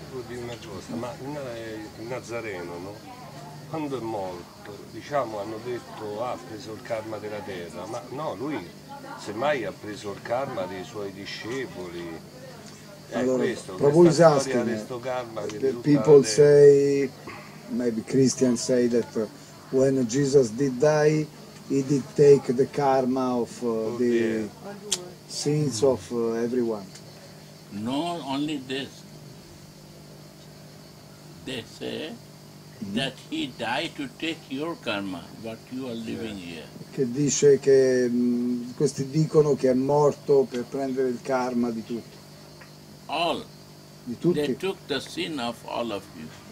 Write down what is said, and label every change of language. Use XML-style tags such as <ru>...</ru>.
<it>Devo dire una cosa, ma il Nazareno, no? Quando è morto, diciamo, hanno detto ha preso il karma della terra, ma no, lui semmai ha preso il karma dei suoi discepoli. Allora,</it> <en>Prabhu is asking, people say, maybe Christians say that when Jesus did die, he did take the karma of the sins of everyone. Not only this, they say that he died to take your karma, what you are living here.</en> <it>Che dice che questi dicono che è morto per prendere il karma di tutti.</it> <en>All.</en> <it>Di tutti.</it> <en>They took the sin of all of you.</en>